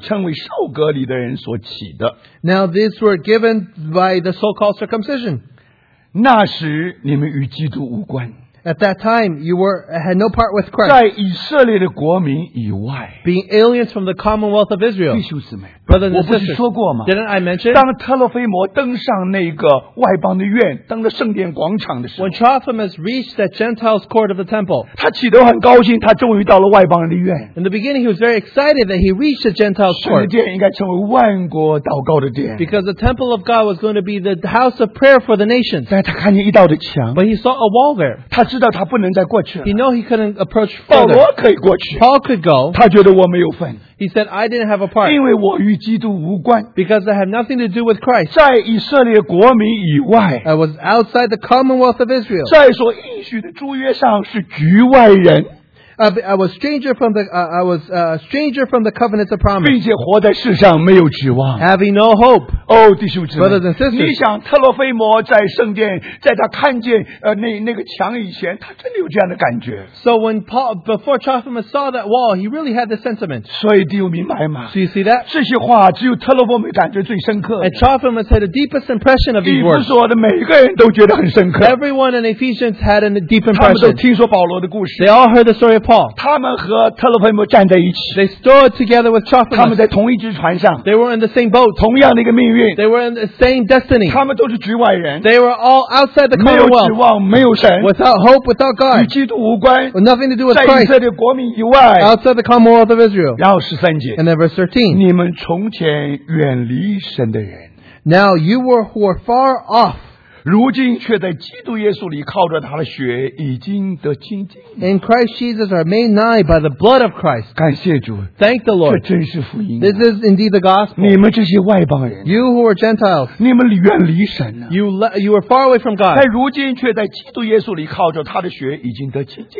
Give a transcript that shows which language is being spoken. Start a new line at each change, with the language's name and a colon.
Chinese: 乃是那些凭人手在肉身上称为受隔离的人所起的。
English: Now these were given by the so-called circumcision.
Chinese: 那时你们与基督无关。
English: At that time, you were had no part with Christ.
Chinese: 在以色列的国民以外,
English: being aliens from the commonwealth of Israel.
Chinese: 弟兄姊妹,
English: brothers and sisters,
Chinese: 我不是说过吗?
English: Didn't I mention?
Chinese: 当特洛菲摩登上那个外邦的院, 登了圣殿广场的时候,
English: when Trophimus reached that Gentile's court of the temple,
Chinese: 他起得很高兴, 他终于到了外邦的院,
English: in the beginning, he was very excited that he reached the Gentile's court.
Chinese: 圣殿应该成为万国祷告的殿,
English: because the temple of God was going to be the house of prayer for the nations.
Chinese: 但他看见一道的墙,
English: but he saw a wall there. He knew he couldn't approach further. Paul could go.
Chinese: 他觉得我没有份,
English: he said, I didn't have a part.
Chinese: 因为我与基督无关,
English: because I have nothing to do with Christ.
Chinese: 在以色列国民以外,
English: I was outside the commonwealth of Israel.
Chinese: 在所应许的诸约上是局外人,
English: I was stranger from the stranger from the covenant of promise.
Chinese: 并且活在世上没有指望,
English: having no hope.
Chinese: Oh, 弟兄姊妹,
English: brothers and sisters,
Chinese: 你想特洛菲摩在圣殿, 在他看见, 那个墙以前, 他真的有这样的感觉。
English: So when Paul, before Trophimus saw that wall, he really had the sentiment.
Chinese: 所以弟兄明白吗?
English: So you see that?
Chinese: 这些话只有特洛菲摩感觉最深刻的。
English: And Trophimus had the deepest impression of these words.
Chinese: 以弗所的每一个人都觉得很深刻。
English: Everyone in Ephesians had a deep impression.
Chinese: 他们都听说保罗的故事。
English: They all heard the story of Paul.
Chinese: 他们和特洛菲摩站在一起,
English: they stood together with Trophimus.
Chinese: 他们在同一只船上,
English: they were in the same boat.
Chinese: 同样的一个命运,
English: they were in the same destiny.
Chinese: 他们都是局外人,
English: they were all outside the commonwealth.
Chinese: 没有指望, 没有神,
English: without hope, without God.
Chinese: 与基督无关,
English: with nothing to do with Christ.
Chinese: 在以色列国民以外,
English: outside the commonwealth of Israel.
Chinese: 然后13节,
English: and then verse 13,
Chinese: 你们从前远离神的人,
English: now you were who are far off.
Chinese: 如今却在基督耶稣里靠着他的血已经得清净。
English: In Christ Jesus are made nigh by the blood of Christ.
Chinese: 感谢主。
English: Thank the Lord.
Chinese: 这真是福音。
English: This is indeed the gospel.
Chinese: 你们这些外邦人。
English: You who are Gentiles.
Chinese: 你们远离神啊。
English: You are far away from God.
Chinese: 但如今却在基督耶稣里靠着他的血已经得清净。